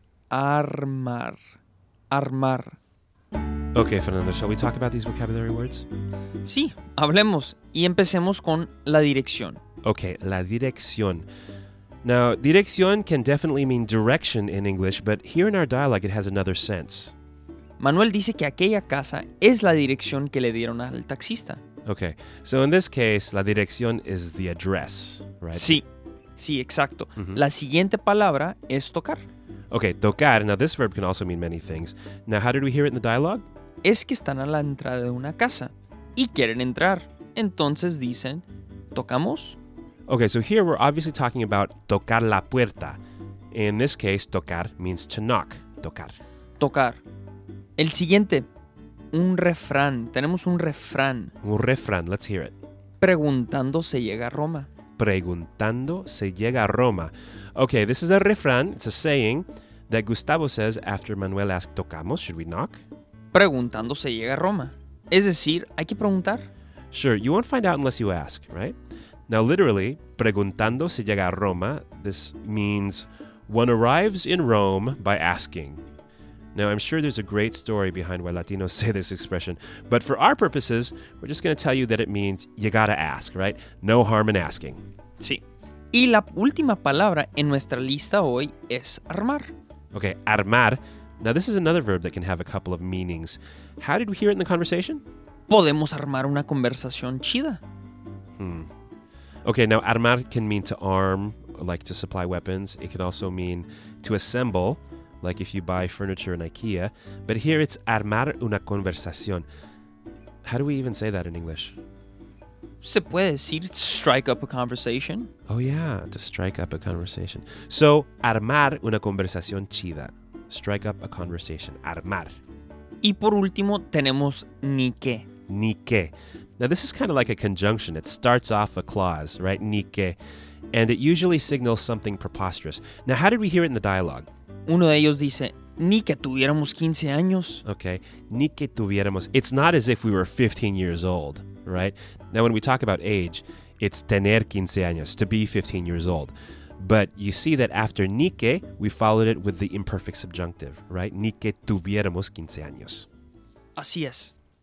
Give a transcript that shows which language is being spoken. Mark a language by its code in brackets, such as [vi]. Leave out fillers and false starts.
[es] Armar. Armar. [en] Okay, Fernando, shall we talk about these vocabulary words? [es] Sí, hablemos y empecemos con la dirección. Okay, la dirección. [en] Now, dirección can definitely mean direction in English, but here in our dialogue it has another sense. [es] Manuel dice que aquella casa es la dirección que le dieron al taxista. [en] Okay, so in this case, la dirección is the address, right? [es] Sí, sí, exacto. Mm-hmm. La siguiente palabra es tocar. Okay, tocar. [en] Now, this verb can also mean many things. Now, how did we hear it in the dialogue? [es] Es que están a la entrada de una casa y quieren entrar. Entonces dicen, ¿tocamos? [en] Okay, so here we're obviously talking about [es] tocar la puerta. [en] In this case, tocar means to knock, tocar. [es] Tocar. El siguiente, un refrán. Tenemos un refrán. [en] Un refrán, let's hear it. [es] Preguntando se llega a Roma. Preguntando se llega a Roma. [en] Okay, this is a refrán, it's a saying, that Gustavo says after Manuel asks, [es] ¿tocamos? [en] Should we knock? [es] Preguntando se llega a Roma. Es decir, hay que preguntar. [en] Sure, you won't find out unless you ask, right? Now, literally, [es] preguntando se llega a Roma, [en] this means one arrives in Rome by asking. Now, I'm sure there's a great story behind why Latinos say this expression, but for our purposes, we're just going to tell you that it means you gotta ask, right? No harm in asking. [es] Sí. Y la última palabra en nuestra lista hoy es armar. Okay, armar. [en] Now, this is another verb that can have a couple of meanings. How did we hear it in the conversation? [es] Podemos armar una conversación chida. [en] Hmm. Okay, now, armar can mean to arm, like to supply weapons. It can also mean to assemble, like if you buy furniture in IKEA. But here it's [es] armar una conversación. [en] How do we even say that in English? [es] Se puede decir [en] strike up a conversation. Oh, yeah, to strike up a conversation. So, [es] armar una conversación chida. [en] Strike up a conversation. Armar. [es] Y por último, tenemos ni que. Ni que. [en] Now, this is kind of like a conjunction. It starts off a clause, right? Ni que. And it usually signals something preposterous. Now, how did we hear it in the dialogue? [es] Uno de ellos dice, ni que tuviéramos 15 años. Okay. Ni que tuviéramos. [en] It's not as if we were 15 years old, right? Now, when we talk about age, it's [es] tener 15 años, [en] to be 15 years old. But you see that after ni que, we followed it with the imperfect subjunctive, right? [es] Ni que tuviéramos 15 años. Así es.